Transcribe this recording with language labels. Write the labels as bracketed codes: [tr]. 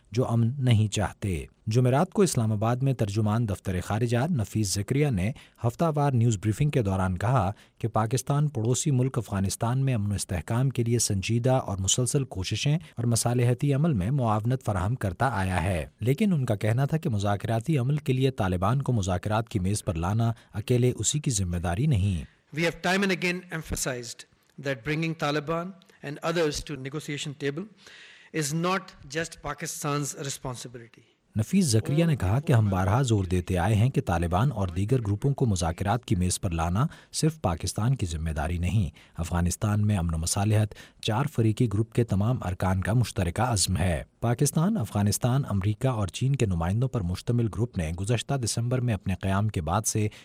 [ur] جو امن نہیں چاہتے۔ جمعرات کو اسلام آباد میں ترجمان دفتر خارجہ نفیس زکریا نے ہفتہ وار نیوز بریفنگ کے دوران کہا کہ پاکستان پڑوسی ملک افغانستان میں امن و استحکام کے لیے سنجیدہ اور مسلسل کوششیں اور مصالحتی عمل میں معاونت فراہم کرتا آیا ہے، لیکن ان کا کہنا تھا کہ مذاکراتی عمل کے لیے طالبان کو مذاکرات کی میز پر لانا اکیلے اسی کی ذمہ داری نہیں۔ [en] We have time and again emphasized that bringing Taliban and others to negotiation table is not just Pakistan's responsibility. [ur] نفیس زکریا نے کہا کہ ہم بارہا زور دیتے آئے ہیں کہ طالبان اور دیگر گروپوں کو مذاکرات کی میز پر لانا صرف پاکستان کی ذمہ داری نہیں، افغانستان میں امن و مصالحت چار فریقی گروپ کے تمام ارکان کا مشترکہ عزم ہے۔ پاکستان، افغانستان، امریکہ اور چین کے نمائندوں پر مشتمل گروپ نے گزشتہ دسمبر میں اپنے قیام کے بعد سے